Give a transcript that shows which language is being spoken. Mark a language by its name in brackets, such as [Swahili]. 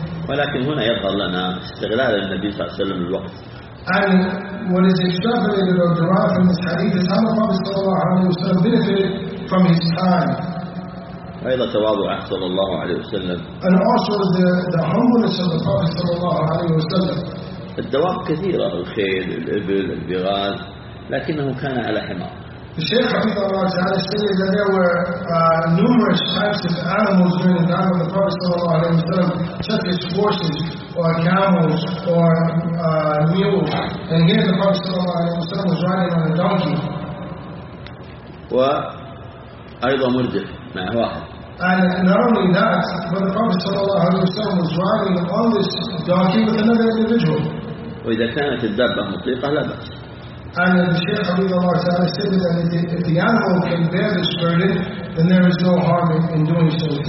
[Arabic] ولكن هنا يظهر لنا استغلال النبي صلى الله عليه وسلم الوقت. [English] And what is extrapolated or derived from this hadith is how the Prophet صلى الله عليه وسلم benefited from his time. [Arabic] أيضا تواضعه صلى الله عليه وسلم. [English] And also the humbleness of the Prophet صلى الله عليه وسلم. [Arabic] الدواب كثيرة الخيل الإبل البغال لكنه كان على حمار. [English] The Shaykh Hafidh Allah Ta'ala stated that there were numerous types of animals during the time of the Prophet Sallallahu Alaihi Wasallam, such as horses, or camels, or mules. And here the Prophet Sallallahu Alaihi Wasallam was riding on a donkey. [Arabic] وأيضا مرجح مع واحد. [English] And not only that, but the Prophet Sallallahu Alaihi Wasallam was riding on this donkey with another individual. [Arabic] وإذا كانت الدابة مطيقة لا بأس. [English] And the Shaykh Habib Allah Ta'ala said that if the animal can bear this burden, then there is no harm in doing so.